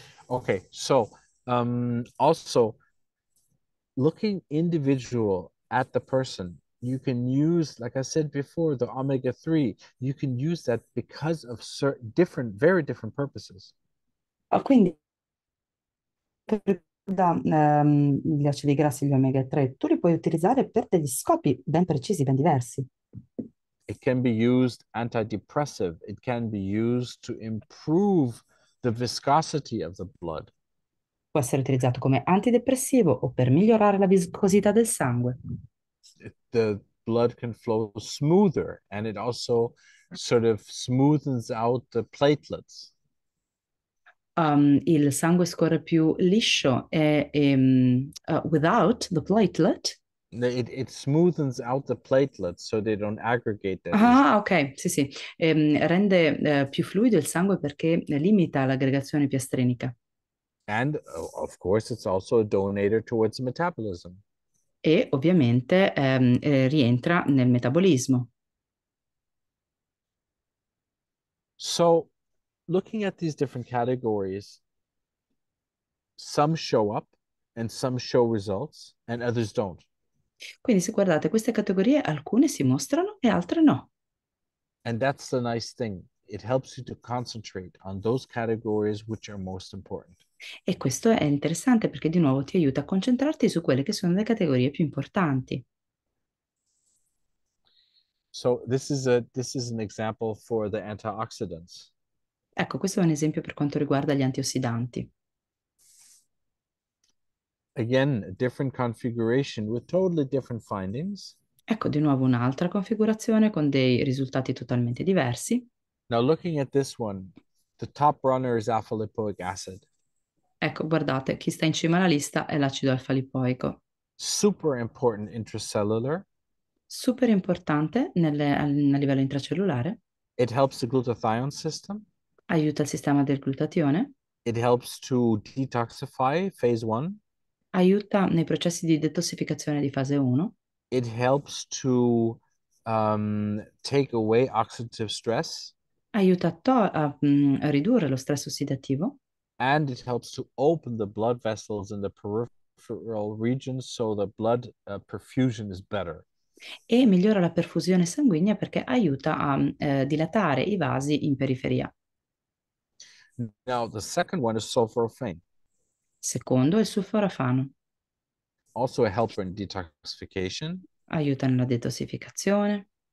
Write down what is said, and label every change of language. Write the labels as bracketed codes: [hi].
[en] Okay, so also looking individual at the person, you can use, like I said before, the omega-3. You can use that because of certain different, very different purposes. [it] Quindi gli acidi grassi, gli omega 3, tu li puoi utilizzare per degli scopi ben precisi, ben diversi. [en] It can be used antidepressive. It can be used to improve the viscosity of the blood. [it] Può essere utilizzato come antidepressivo o per migliorare la viscosità del sangue. [en] The blood can flow smoother and it also sort of smoothens out the platelets. [it] Il sangue scorre più liscio e [en] without the platelet. It smoothens out the platelets so they don't aggregate that easily. [it] Ah, ok, sì. Rende più fluido il sangue perché limita l'aggregazione piastrenica. [en] And of course, it's also a donator towards metabolism. [it] E ovviamente rientra nel metabolismo. [en] So, looking at these different categories, some show up and some show results, and others don't. [it] Quindi se guardate queste categorie, alcune si mostrano e altre no. [en] And that's the nice thing. It helps you to concentrate on those categories which are most important. [it] E questo è interessante perché di nuovo ti aiuta a concentrarti su quelle che sono le categorie più importanti. [en] So this is an example for the antioxidants. [it] Ecco, questo è un esempio per quanto riguarda gli antiossidanti. [en] Again, a different configuration with totally different findings. [it] Ecco, di nuovo un'altra configurazione con dei risultati totalmente diversi. [en] Now, looking at this one, the top runner is alpha lipoic acid. [it] Ecco, guardate, chi sta in cima alla lista è l'acido alfa lipoico. [en] Super important intracellular. [it] Super importante a livello intracellulare. [en] It helps the glutathione system. [it] Aiuta il sistema del glutatione. [en] It helps to detoxify phase one. [it] Aiuta nei processi di detossificazione di fase 1. [en] It helps to take away oxidative stress. [it] Aiuta a ridurre lo stress ossidativo. [en] And it helps to open the blood vessels in the peripheral regions so the blood perfusion is better. [it] e migliora la perfusione sanguigna perché aiuta a dilatare i vasi in periferia. [en] Now, the second one is sulforaphane. [it] Secondo, il sulforafano. [en] Also a helper in detoxification. [it] Aiuta nella detossificazione.